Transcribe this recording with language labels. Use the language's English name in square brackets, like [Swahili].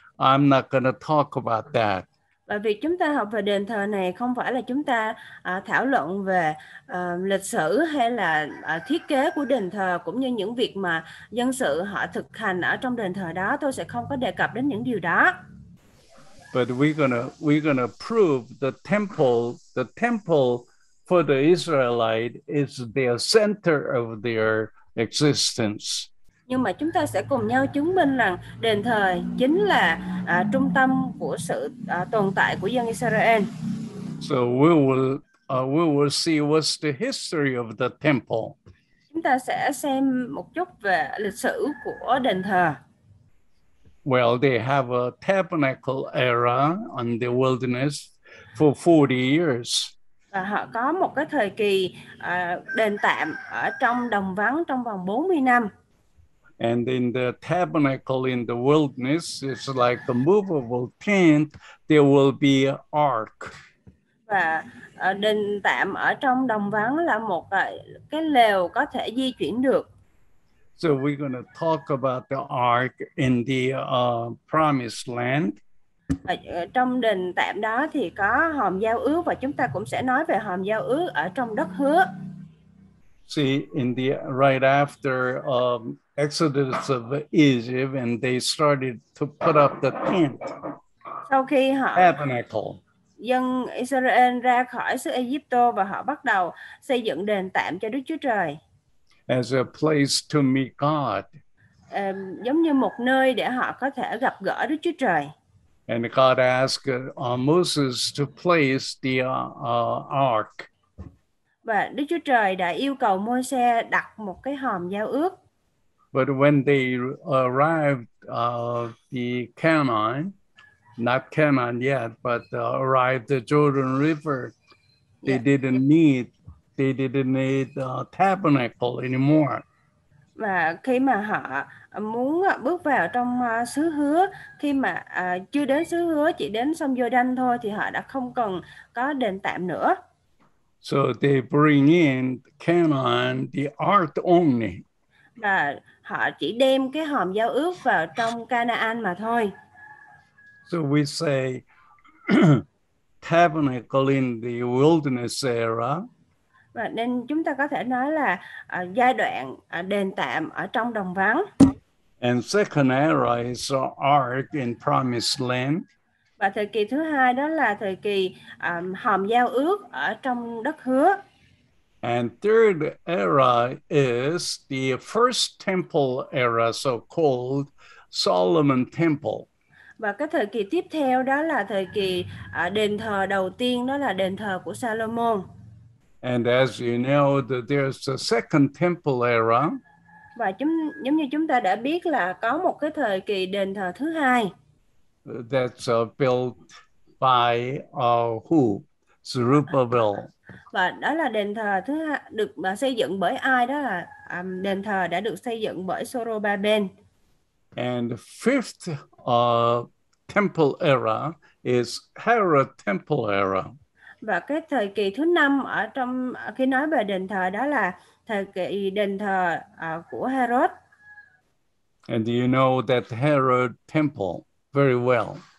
[English] I'm not going to talk about that. [Vietnamese] Và việc chúng ta học về đền thờ này không phải là chúng ta thảo luận về lịch sử hay là thiết kế của đền thờ cũng như những việc mà dân sự họ thực hành ở trong đền thờ đó. Tôi sẽ không có đề cập đến những điều đó. [English] But we're gonna prove the temple for the Israelite is the center of their existence. [Vietnamese] Nhưng mà chúng ta sẽ cùng nhau chứng minh rằng đền thờ chính là trung tâm của sự tồn tại của dân Israel. [English] So we will see what's the history of the temple. [Vietnamese] Chúng ta sẽ xem một chút về lịch sử của đền thờ. [English] Well, they have a tabernacle era on the wilderness for 40 years. [Vietnamese] Và họ có một cái thời kỳ đền tạm ở trong đồng vắng trong vòng 40 năm. [English] And in the tabernacle in the wilderness, it's like a movable tent, there will be an ark. [Vietnamese] Và đền tạm ở trong đồng vắng là một cái lều có thể di chuyển được. [English] So we're going to talk about the ark in the promised land. [Vietnamese] Trong đền tạm đó thì có hòm giao ước và chúng ta cũng sẽ nói về hòm giao ước ở trong đất hứa. [English] See, in the right after Exodus of Egypt and they started to put up the tent. [Vietnamese] Sau khi họ [English] tabernacle. [Vietnamese] Dân Israel ra khỏi xứ Ai Cập và họ bắt đầu xây dựng đền tạm cho Đức Chúa Trời. [English] As a place to meet God. [Vietnamese] Giống như một nơi để họ có thể gặp gỡ Đức Chúa Trời. [English] And God asked Moses to place the ark. [Vietnamese] Và Đức Chúa Trời đã yêu cầu Môi-se đặt một cái hòm giao ước. [English] But when they arrived at the Canaan, not Canaan yet, but arrived the Jordan River, they didn't need a tabernacle anymore. [Vietnamese] Và khi mà họ muốn bước vào trong xứ hứa, khi mà chưa đến xứ hứa, chỉ đến sông Giô-đanh thôi, thì họ đã không cần có đền tạm nữa. [English] So they bring in Canaan, the ark only. [Vietnamese] Và họ chỉ đem cái hòm giao ước vào trong Canaan mà thôi. [English] We say tabernacle in the wilderness era. [Vietnamese] Và nên chúng ta có thể nói là giai đoạn đền tạm ở trong đồng vắng. [English] Second era is ark in promised land. [Vietnamese] Và thời kỳ thứ hai đó là thời kỳ hòm giao ước ở trong đất hứa. [English] And third era is the first temple era, so called Solomon Temple. [Vietnamese] Và cái thời kỳ tiếp theo đó là thời kỳ đền thờ đầu tiên, đó là đền thờ của Salomon. [English] And as you know, that there's a second temple era. [Vietnamese] Và giống như chúng ta đã biết là có một cái thời kỳ đền thờ thứ hai. [English] That's built by who? Zerubbabel. [Vietnamese] Và đó là đền thờ thứ hai được xây dựng bởi ai, đó là đền thờ đã được xây dựng bởi Zorobabel. [English] And fifth temple era is Herod temple era. [Vietnamese] Và cái thời kỳ thứ năm ở trong khi nói về đền thờ đó là thời kỳ đền thờ của Herod. [English] And do you know that Herod temple very well?